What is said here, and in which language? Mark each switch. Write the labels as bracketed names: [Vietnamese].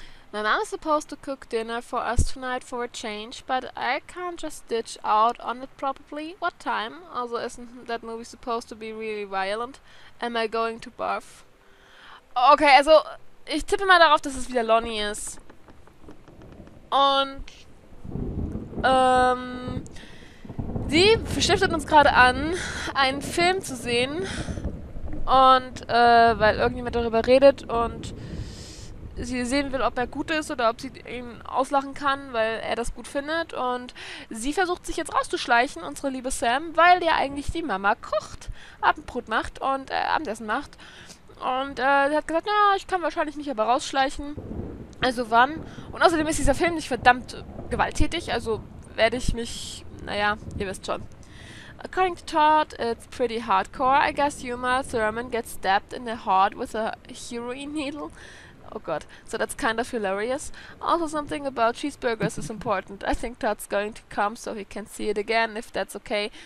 [English] My mom is supposed to cook dinner for us tonight for a change, but I can't just ditch out on it probably. What time? Also, isn't that movie supposed to be really violent? Am I going to barf? [German] Okay, also ich tippe mal darauf, dass es wieder Lonnie ist. Und sie stiftet uns gerade an, einen Film zu sehen. Und weil irgendjemand darüber redet und sie sehen will, ob er gut ist oder ob sie ihn auslachen kann, weil er das gut findet. Und sie versucht sich jetzt rauszuschleichen, unsere liebe Sam, weil ja eigentlich die Mama kocht, Abendbrot macht und Abendessen macht. Und sie hat gesagt, na, ich kann wahrscheinlich mich aber rausschleichen. Also wann? Und außerdem ist dieser Film nicht verdammt gewalttätig, also werde ich mich, naja, ihr wisst schon. [English] According to Todd, it's pretty hardcore. I guess Uma Thurman gets stabbed in the heart with a heroin needle. [German] Oh Gott, [English] so that's kind of hilarious. Also something about cheeseburgers is important. I think Todd's going to come, so he can see it again, if that's okay.